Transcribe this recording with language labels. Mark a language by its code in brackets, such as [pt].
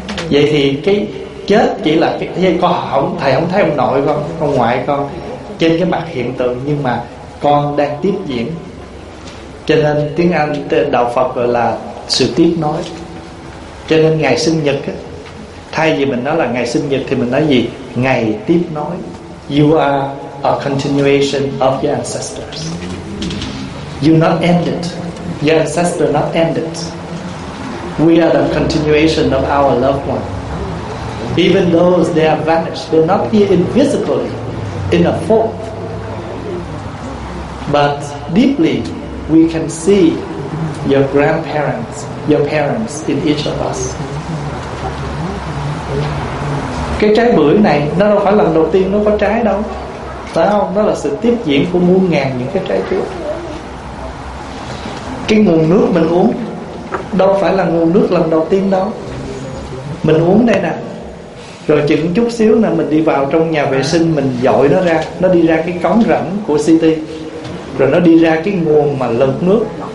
[vi] Vậy thì cái chết chỉ là cái con không, thầy không thấy ông nội con, ông ngoại con trên cái mặt hiện tượng, nhưng mà con đang tiếp diễn. Cho nên tiếng Anh đạo Phật gọi là sự tiếp nối. Cho nên ngày sinh nhật ấy, thay vì mình nói là ngày sinh nhật thì mình nói gì? Ngày tiếp nối. [en] You are a continuation of your ancestors. You not ended. Your ancestor not ended. We are the continuation of our loved one. Even those they are vanished, they're not here invisibly in a form, but deeply we can see your grandparents, your parents in each of us. [vi] Cái trái bưởi này nó đâu phải lần đầu tiên nó có trái đâu, phải không? Nó là sự tiếp diễn của muôn ngàn những cái trái trước. Cái nguồn nước mình uống đâu phải là nguồn nước lần đầu tiên đâu. Mình uống đây nè, rồi chừng chút xíu nè, mình đi vào trong nhà vệ sinh, mình dội nó ra, nó đi ra cái cống rãnh của city, rồi nó đi ra cái nguồn mà lọc nước.